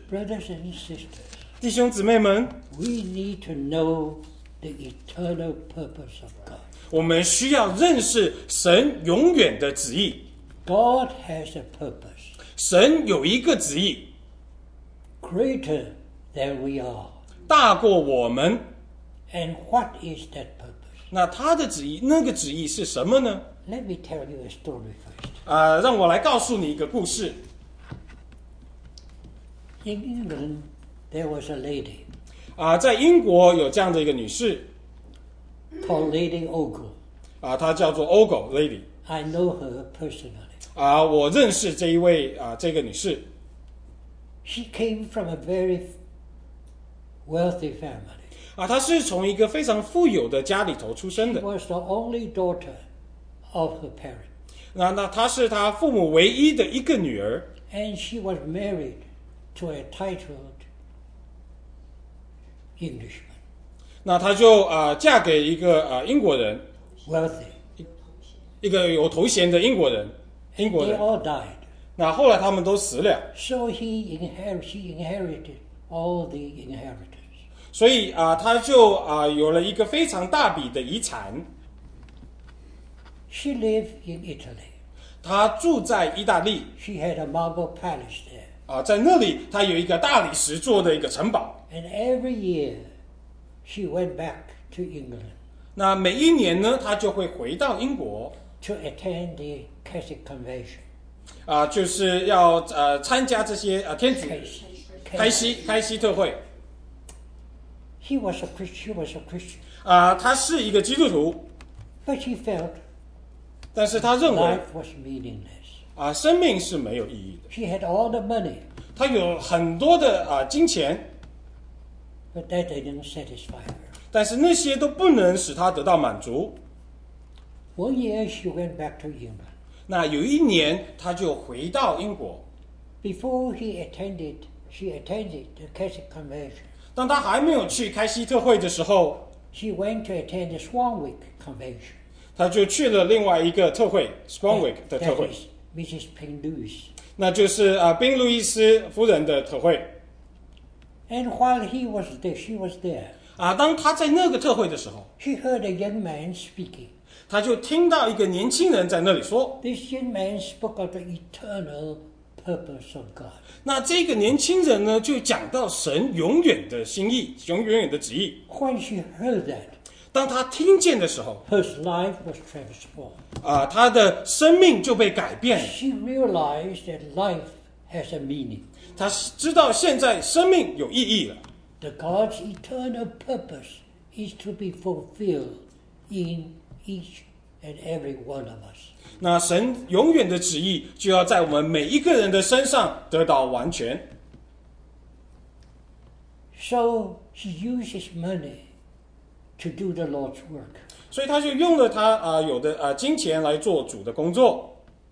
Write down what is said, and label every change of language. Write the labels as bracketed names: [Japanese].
[English] Brothers and sisters. [Chinese] 弟兄姊妹们 [English] We need to know the eternal purpose of God. [Chinese] 我们需要认识神永远的旨意。 [English] God has a purpose. [Chinese] 神有一个旨意。 [English] Greater than we are. [Chinese] 大过我们。 [English] And what is that purpose? [Chinese] 那他的旨意，那个旨意是什么呢？ [English] Let me tell you a story first. [Chinese] 让我来告诉你一个故事。 [English] In England,There was a lady. [Chinese] 在英国有这样的一个女士 [English] called Lady Ogle. [Chinese] 她叫做 Ogle Lady. [English] I know her personally. [Chinese] 我认识这一位这个女士。 [English] She came from a very wealthy family. [Chinese] 她是从一个非常富有的家里头出生的。 [English] She was the only daughter of her parents. [Chinese] 她是她父母唯一的一个女儿。 [English] And she was married to a titled Englishman. [Chinese] 那她就嫁给一个英国人。 [English] Wealthy. [Chinese] 一个有头衔的英国人。英国人。 [English] They all died. [Chinese] 那后来他们都死了。 [English] So she inherited all the inheritance. [Chinese] 所以她就有了一个非常大笔的遗产。 [English] She lived in Italy. [Chinese] 她住在意大利。 [English] She had a marble palace there. [Chinese] 在那里她有一个大理石做的一个城堡。 [English] And every year, she went back to England. [Chinese] 那每一年呢，她就会回到英国。 [English] To attend the Catholic convention. [Chinese] 就是要参加这些天主开西特会。 [English] He was a Christian. [Chinese] 她是一个基督徒。 [English] But she felt. [Chinese] 但是他认为 [English] Life was meaningless. [Chinese] 生命是没有意义的。 [English] She had all the money. [Chinese] 她有很多的金钱。 [English] But that didn't satisfy her. [Chinese] 但是那些都不能使她得到满足。 [English] One year she went back to England. [Chinese] 那有一年她就回到英国。 [English] Before she attended the Catholic convention. [Chinese] 当她还没有去开西特会的时候 [English] She went to attend the Swanwick convention. [Chinese] 他就去了另外一个特会 Swanwick 的特会 [English] Mrs. Ping Lewis [Chinese] 那就是宾路易斯夫人的特会 [English] And while he was there, she was there [Chinese] 当他在那个特会的时候 [English] He heard a young man speaking [Chinese] 他就听到一个年轻人在那里说 [English] This young man spoke of the eternal purpose of God [Chinese] 那这个年轻人呢就讲到神永远的心意永远的旨意 [English] When she heard that [Chinese] 当他听见的时候 [English] ，His life was transformed. [Chinese] 他的生命就被改变了。 [English] She realized that life has a meaning. [Chinese] 他知道现在生命有意义了。 [English] The God's eternal purpose is to be fulfilled in each and every one of us. [Chinese] 那神永远的旨意就要在我们每一个人的身上得到完全。 [English] So he uses money. To do the Lord's work. 所以他就用了他有的金钱来做主的工作。